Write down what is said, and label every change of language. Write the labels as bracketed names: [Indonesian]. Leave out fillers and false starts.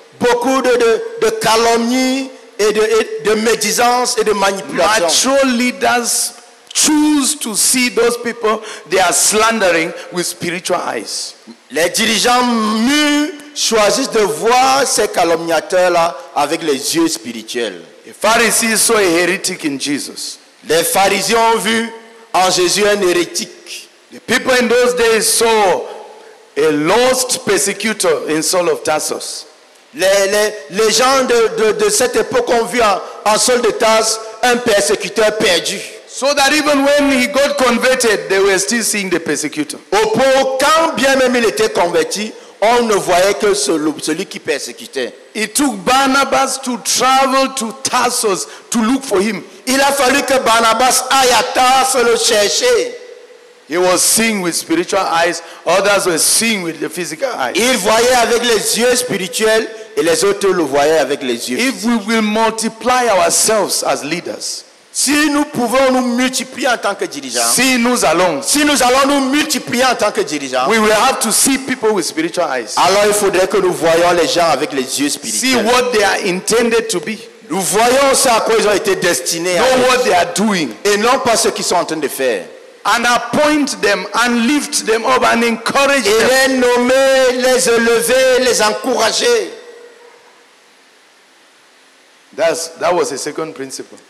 [French] Beaucoup de calomnie et de médisance et de manipulation. [English] Mature leaders choose to see those people they are slandering with spiritual eyes. [French] Les dirigeants mûrs choisissent de voir ces calomniateurs-là avec les yeux spirituels. [English] The Pharisees saw a heretic in Jesus. [French] Les pharisiens ont vu en Jésus un hérétique. [English] The people in those days saw a lost persecutor in Saul of Tarsus. [French] Les gens de cette époque ont vu en Saul de Tarsus un persécuteur perdu. [English] So that even when he got converted, they were still seeing the persecutor. [French] Au point, quand bien même il était converti, on ne voyait que celui qui persécutait. [English] It took Barnabas to travel to Tarsus to look for him. [French] Il a fallu que Barnabas aille à Tarsus le chercher. [English] He was seeing with spiritual eyes. Others were seeing with the physical eyes. [French] Il voyait avec les yeux spirituels et les autres le voyaient avec les yeux. [English] If we will multiply ourselves as leaders, [French] si nous pouvons nous multiplier en tant que dirigeants, si nous allons nous multiplier en tant que dirigeants, [English] we will have to see people with spiritual eyes. [French] Alors il faudrait que nous voyions les gens avec les yeux spirituels. [English] See what they are intended to be. [French] Nous voyons ce à quoi ils ont été destinés. [English] Know what they are doing. [French] Et non pas ce qu'ils sont en train de faire. [English] And appoint them and lift them up and encourage them. [French] Et les nommer, les élever, les encourager. [English] That was the second principle.